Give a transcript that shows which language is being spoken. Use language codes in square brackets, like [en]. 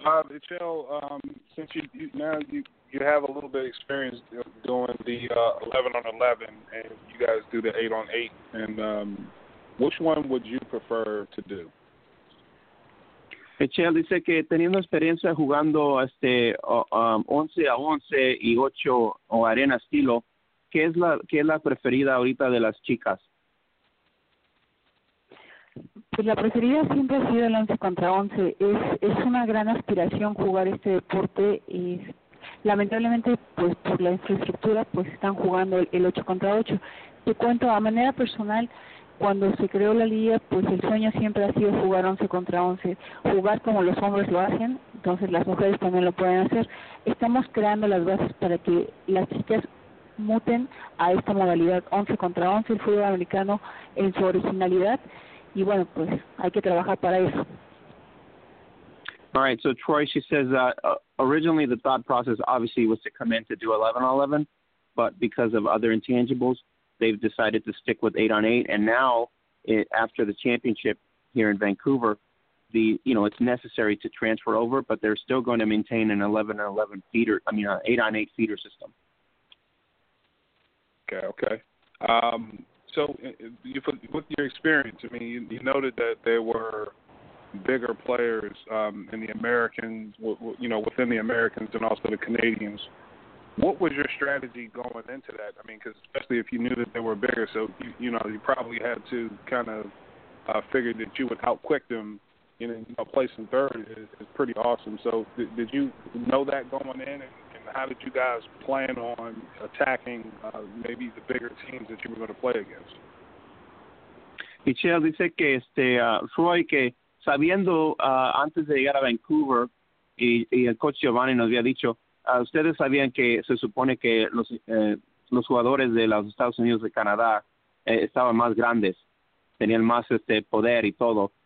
[en] Michelle, since you have a little bit of experience doing the 11-on-11, and you guys do the 8-on-8, and which one would you prefer to do? [es] Michelle dice que teniendo experiencia jugando 11-on-11 y 8 o arena estilo, ¿qué es la preferida ahorita de las chicas? Pues la preferida siempre ha sido el 11 contra 11. Es una gran aspiración jugar este deporte. Y lamentablemente, pues por la infraestructura, pues están jugando el 8 contra 8. Te cuento, a manera personal, cuando se creó la liga, pues el sueño siempre ha sido jugar 11 contra 11. Jugar como los hombres lo hacen, entonces las mujeres también lo pueden hacer. Estamos creando las bases para que las chicas muten a esta modalidad 11 contra 11, el fútbol americano en su originalidad. Y bueno, pues hay que trabajar para eso. [en] All right, so Troy, she says that originally the thought process obviously was to come in to do 11-on-11, but because of other intangibles, they've decided to stick with 8-on-8. And now, after the championship here in Vancouver, it's necessary to transfer over, but they're still going to maintain an 11-on-11 feeder, an 8-on-8 feeder system. Okay. So with your experience, I mean, you noted that there were bigger players in the Americans, within the Americans and also the Canadians. What was your strategy going into that? I mean, because especially if you knew that they were bigger, so, you probably had to kind of figure that you would outquick them, and placing third is pretty awesome. So did you know that going in? How did you guys plan on attacking maybe the bigger teams that you were going to play against? [es] Michelle dice que Roy, que sabiendo antes de llegar a Vancouver y el coach Giovanni nos había dicho, ustedes sabían que se supone que los jugadores de los Estados Unidos y Canadá estaban más grandes, tenían más poder y todo.